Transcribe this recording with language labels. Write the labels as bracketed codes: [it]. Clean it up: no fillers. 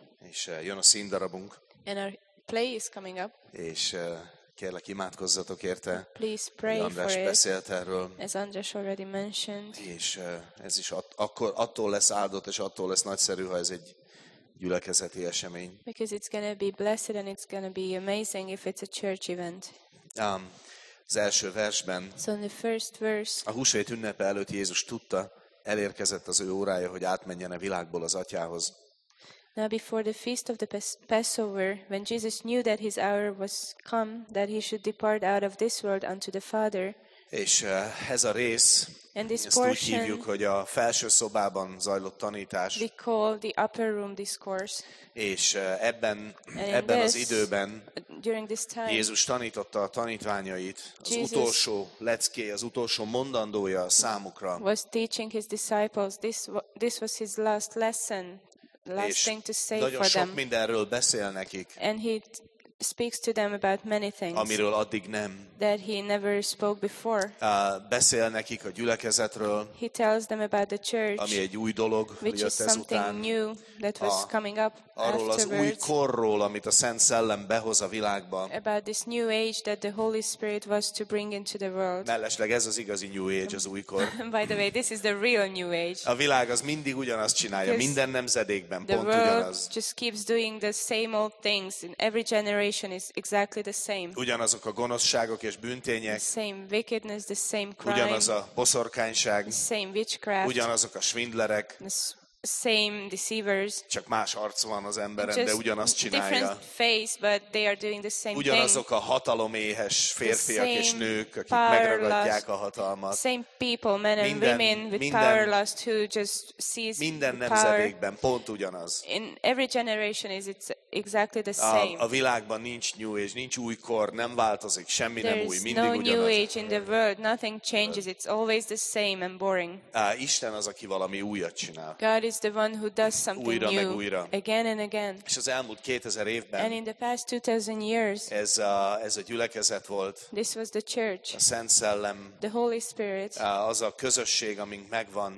[hu] És jön a színdarabunk. [en] And our play is coming up. [hu] És kérlek, imádkozzatok érte. [en] Please pray [hu] András [en] for it. [hu] András beszélt erről. [en] As András already mentioned. [hu] És ez is akkor attól lesz áldott, és attól lesz nagyszerű, ha ez egy gyülekezeti esemény. [en] Because it's gonna be blessed and it's gonna be amazing if it's a church event. [hu] Az első versben, [en] so in the first verse, [hu] a húsvét ünnepe előtt Jézus tudta, elérkezett az ő órája, hogy átmenjen a világból az atyához. [en] Now before the feast of the Passover, when Jesus knew that his hour was come, that he should depart out of this world unto the Father. [hu] És ez a rész, ezt portion, úgy hívjuk, hogy a felső szobában zajlott tanítás. [en] We call the upper room discourse. [hu] És ebben, ebben [en] this, [hu] az időben [en] during this time, [hu] Jézus tanította a tanítványait, az Jesus utolsó leckéje, az utolsó mondandója számukra. [en] Was teaching his disciples. This was his last lesson, last thing to say [hu] Nagyon sok mindenről beszél nekik. [en] And he speaks to them about many things, [hu] amiről addig nem, [en] that he never spoke before. [hu] Beszél nekik a gyülekezetről, [en] he tells them about the church, [hu] ami egy új dolog, [en] which is something new that was coming up afterwards. [hu] Arról az új korról, amit a Szent Szellem behoz a világba. [en] About this new age that the Holy Spirit was to bring into the world. [hu] Mellesleg ez az igazi [en] new age, [hu] az új kor. [en] By the way, this is the real new age. [hu] A világ az mindig ugyanazt csinálja, minden nemzedékben pont ugyanaz. [en] The world just keeps doing the same old things in every generation. Is exactly the same. [hu] Ugyanazok a gonoszságok és bűntények. [en] The same wickedness, the same crime. [hu] Ugyanaz a boszorkányság. [en] The same witchcraft. [hu] Ugyanazok a svindlerek. [en] The same deceivers. [hu] Csak más arc van az emberen, de ugyanazt csinálja. [en] Different face, but they are doing the same. [hu] Ugyanazok a hataloméhes férfiak és nők, akik megragadják a hatalmat. [en] Same people, men and women with power lust who just seize. [hu] Minden nemzedékben pont ugyanaz. [en] In every generation is it's exactly the same. [hu] A világban nincs new és nincs új kor, nem változik semmi, nem új, mindig ugyanaz. [en] There is no new age in the world, nothing changes, it's always the same and boring. [hu] Isten az, aki valami újat csinál. [en] God is the one who does something [hu] újra [en] new, [hu] meg újra. [en] Again and again. [hu] És az elmúlt 2000 évben. [en] And in the past 2000 years. [hu] Ez a gyülekezet volt. [en] This was the church. [hu] A Szent Szellem. [en] The Holy Spirit. [hu] Az a közösség, amink megvan.